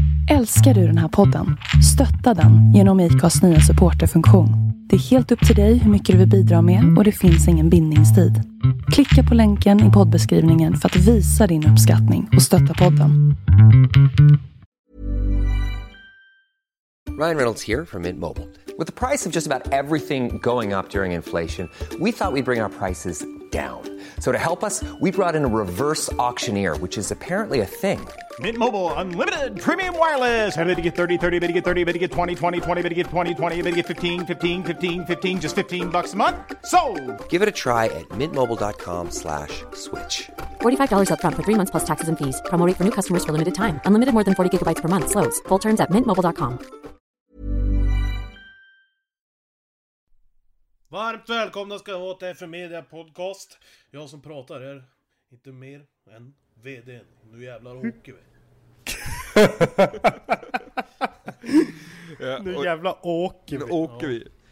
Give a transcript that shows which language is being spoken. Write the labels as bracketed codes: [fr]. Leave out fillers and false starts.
[sv] Älskar du den här podden? Stötta den genom IKAs nya supporterfunktion. Det är helt upp till dig hur mycket du vill bidra med och det finns ingen bindningstid. Klicka på länken i poddbeskrivningen för att visa din uppskattning och stötta podden. [en] Ryan Reynolds here from Mint Mobile. With the price of just about everything going up during inflation, we thought we'd bring our prices down. So to help us, we brought in a reverse auctioneer, which is apparently a thing. Mint Mobile Unlimited Premium Wireless. How to get 30, 30, to get 30, to get 20, 20, 20, to get 20, 20, to get 15, 15, 15, 15, just 15 bucks a month? Sold! Give it a try at mintmobile.com/switch. $45 up front for 3 months plus taxes and fees. Promo rate for new customers for limited time. Unlimited more than 40 gigabytes per month. Slows full terms at mintmobile.com. [sv] Varmt välkomna ska jag vara till FM Media Podcast. Jag som pratar här, inte mer än vdn. Nu jävlar åker vi. Nu jävlar åker vi. Nu åker vi.